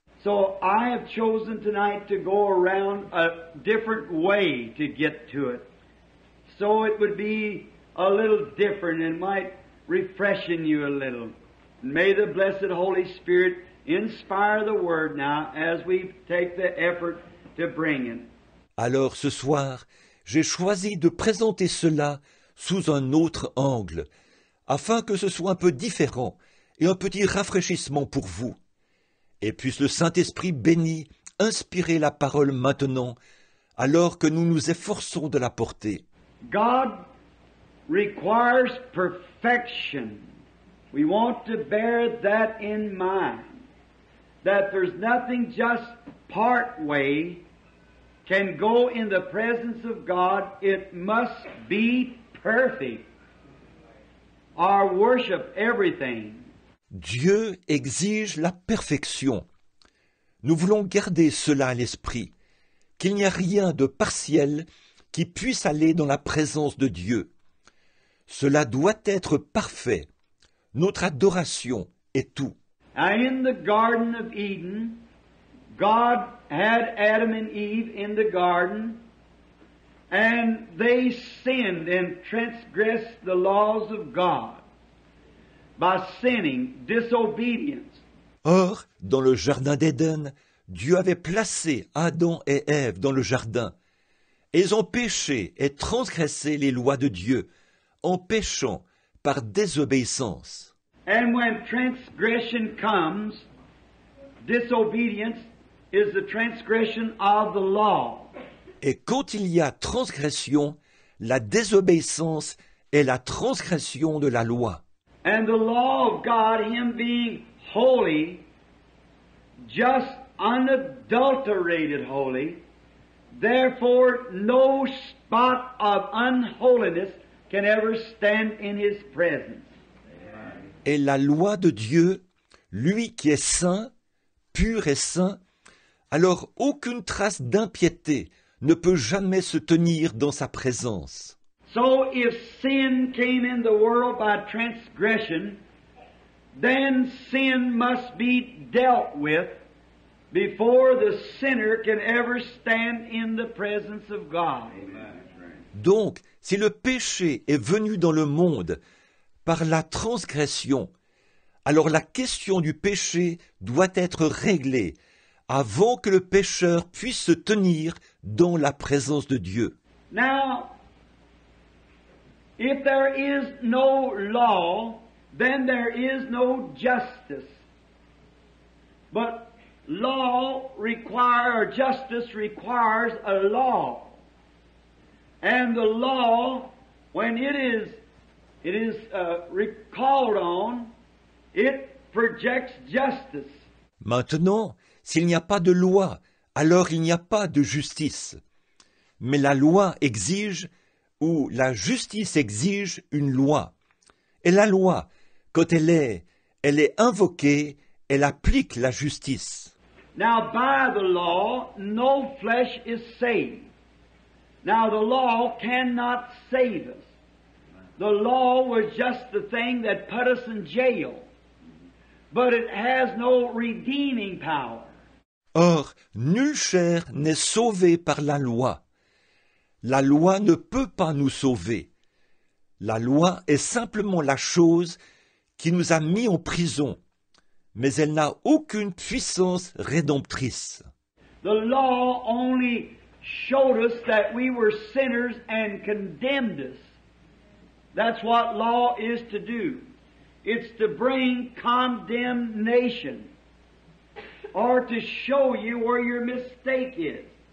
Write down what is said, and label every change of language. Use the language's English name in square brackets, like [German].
[English] So I have chosen tonight to go around a different way to get to it. So it would be a little different and might refreshen you a little. May the blessed Holy Spirit inspire the word now as we take the effort to bring it. [French] Alors ce soir, j'ai choisi de présenter cela sous un autre angle, afin que ce soit un peu différent et un petit rafraîchissement pour vous. Et puisse le Saint-Esprit béni inspirer la parole maintenant, alors que nous nous efforçons de la porter. [English] God requires perfection. We want to bear that in mind, that there's nothing just part way can go in the presence of God. It must be perfect. Our worship, everything. [French] Dieu exige la perfection. Nous voulons garder cela à l'esprit, qu'il n'y a rien de partiel qui puisse aller dans la présence de Dieu. Cela doit être parfait. Notre adoration est tout. [English] Now in the Garden of Eden, God had Adam and Eve in the garden, and they sinned and transgressed the laws of God by sinning, disobedience. [French] Or, dans le jardin d'Éden, Dieu avait placé Adam et Ève dans le jardin. Ils ont péché et transgressé les lois de Dieu en péchant par désobéissance. [English] And when transgression comes, disobedience is the transgression of the law. [French] Et quand il y a transgression, la désobéissance est la transgression de la loi. [English] And the law of God, Him being holy, just unadulterated holy, therefore no spot of unholiness can ever stand in His presence. [French] Et la loi de Dieu, lui qui est saint, pur et saint, alors aucune trace d'impiété ne peut jamais se tenir dans sa présence. [English] So if sin came in the world by transgression, then sin must be dealt with before the sinner can ever stand in the presence of God. [French] Donc, si le péché est venu dans le monde par la transgression, alors la question du péché doit être réglée avant que le pécheur puisse se tenir dans la présence de Dieu. [English] Now, if there is no law, then there is no justice. But law requires, justice requires a law. And the law, when it is recalled on, it projects justice. [French] Maintenant, s'il n'y a pas de loi, alors il n'y a pas de justice. mais la loi exige, ou la justice exige une loi. Et la loi, quand elle est invoquée, elle applique la justice. [English] Now by the law, no flesh is saved. Now the law cannot save us. The law was just the thing that put us in jail. But it has no redeeming power. [French] Or, nulle chair n'est sauvée par la loi. La loi ne peut pas nous sauver. La loi est simplement la chose qui nous a mis en prison. Mais elle n'a aucune puissance rédemptrice. [English] The law only showed us that we were sinners and condemned us. That's what law is to do. It's to bring condemnation or to show you where your mistake is.